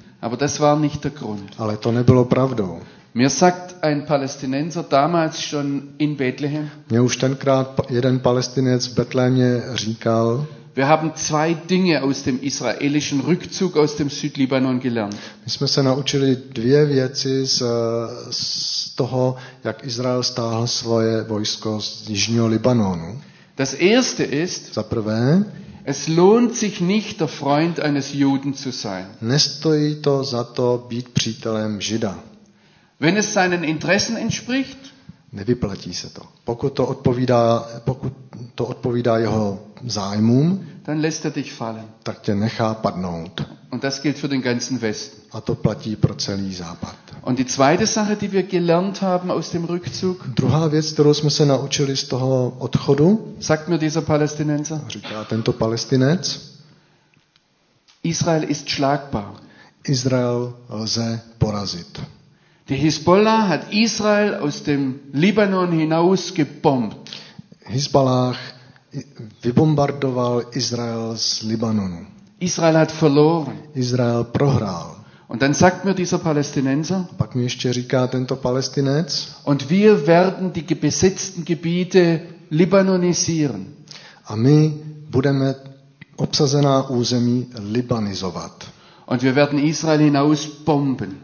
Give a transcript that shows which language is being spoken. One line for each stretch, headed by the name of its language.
German: Aber das war nicht der Grund.
Czech: Ale to nebylo pravdou.
German: Mir sagt ein Palästinenser damals schon in Bethlehem.
Czech: Mě už tenkrát jeden Palestinec v Betlémě říkal.
German: Wir haben zwei Dinge aus dem israelischen Rückzug aus dem Südlibanon gelernt.
Czech: My jsme se naučili dvě věci z toho, jak Izrael stáhl svoje vojsko z jižního Libanonu.
German: Das erste ist,
Czech: za prvé,
German: Es lohnt sich nicht, der Freund eines Juden zu sein.
Czech: Nestojí to za to být přítelem Žida.
German: Wenn es seinen Interessen entspricht,
Czech: nevyplatí se to. Pokud to odpovídá jeho zájmům,
German: dann lässt er dich fallen.
Czech: Tak tě nechá padnout.
German: Und das gilt für den ganzen Westen.
Czech: A to platí pro celý Západ.
German: Und die zweite Sache, die wir gelernt haben aus dem Rückzug.
Czech: Druhá věc, kterou jsme se naučili z toho odchodu.
German: Sagt mir dieser Palästinenser.
Czech: Říká tento Palestinec.
German: Israel ist schlagbar.
Czech: Izrael lze porazit.
German: Die Hisbollah hat Israel aus dem Libanon hinaus gebombt.
Czech: Hisbollah vybombardoval Izrael z Libanonu.
German: Israel hat verloren.
Czech: Izrael prohrál.
German: Und dann sagt mir dieser Palästinenser.
Czech: Pak mi ještě říká tento Palestinec.
German: Und wir werden die besetzten Gebiete libanonisieren.
Czech: A my budeme obsazená území libanizovat.
German: Und wir werden Israel hinaus bomben.